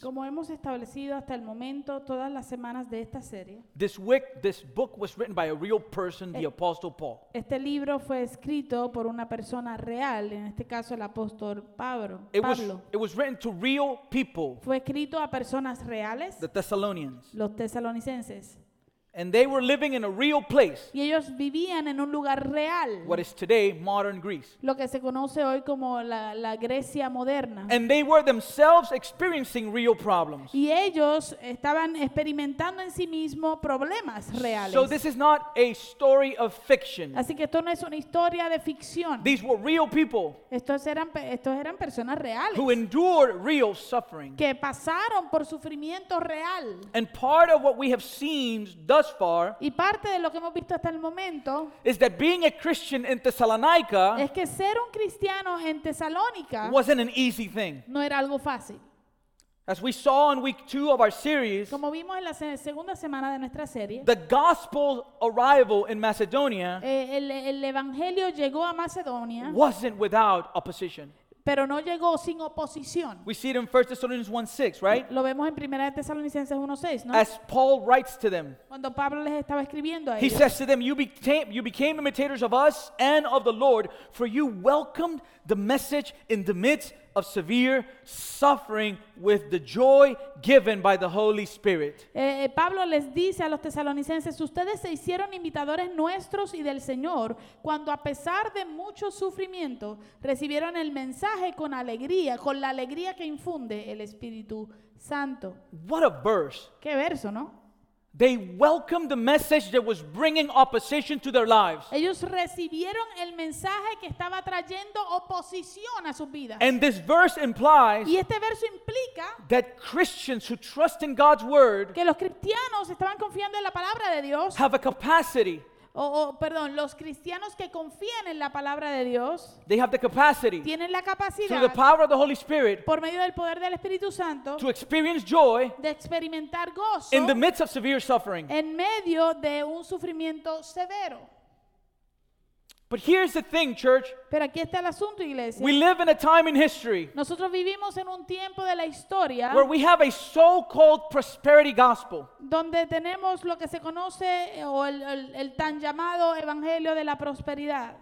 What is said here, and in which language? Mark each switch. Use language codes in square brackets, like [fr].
[es] como hemos establecido hasta el momento todas las semanas de esta serie, [en] this book was written by a real person, the Apostle Paul. [es] Este libro fue escrito por una persona real, en este caso el apóstol Pablo. [en] It was written to real people. [es] Fue escrito a personas reales. [en] The Thessalonians. [es] Los tesalonicenses. [en] And they were living in a real place. [es] Y ellos vivían en un lugar real. [en] What is today modern Greece. [es] Lo que se conoce hoy como la Grecia moderna. [en] And they were themselves experiencing real problems. [es] Y ellos estaban experimentando en sí mismo problemas reales. [en] So this is not a story of fiction. [es] Así que esto no es una historia de ficción. [en] These were real people. [es] Estos eran personas reales. [en] Who endured real suffering. [es] Que pasaron por sufrimiento real. [en] And part of what we have seen thus far, [es] y parte de lo que hemos visto hasta el momento, [en] is that being a Christian in Thessalonica, [es] es que ser un cristiano en Tesalónica, [en] wasn't an easy thing. [es] No era algo fácil. [en] As we saw in week two of our series, [es] como vimos en la segunda semana de nuestra serie, [en] the gospel arrival in Macedonia, [es] el evangelio llegó a Macedonia, [en] wasn't without opposition. [es] Pero no llegó sin oposición. [en] We see it in 1 Thessalonians 1:6, right? [es] Lo vemos en 1 Tesalonicenses 1:6, ¿no? [en] As Paul writes to them. [es] Cuando Pablo les estaba escribiendo a ellos. [en] He says to them, you became imitators of us and of the Lord, for you welcomed the message in the midst of severe suffering with the joy given by the Holy Spirit. [es] Pablo les dice a los tesalonicenses, ustedes se hicieron imitadores nuestros y del Señor cuando a pesar de mucho sufrimiento recibieron el mensaje con alegría, con la alegría que infunde el Espíritu Santo. [en] What a verse. [es] Qué verso, ¿no? [en] They welcomed the message that was bringing opposition to their lives. [es] Ellos recibieron el mensaje que estaba trayendo oposición a sus vidas. [en] And this verse implies, [es] y este verso implica, [en] that Christians who trust in God's word, [es] que los cristianos estaban confiando en la palabra de Dios, [en] have a capacity. [es] Perdón, los cristianos que confían en la palabra de Dios, [en] they have the capacity, [es] tienen la capacidad, [en] through the power of the Holy Spirit, [es] por medio del poder del Espíritu Santo, [en] to experience joy, [es] de experimentar gozo, [en] in the midst of severe suffering, [es] en medio de un sufrimiento severo. [en] But here's the thing, church. [es] Pero aquí está el asunto, iglesia. [en] We live in a time in history. [es] Nosotros vivimos en un tiempo de la historia. [en] Where we have a so-called prosperity gospel. [es] Donde tenemos lo que se conoce o el tan llamado evangelio de la prosperidad.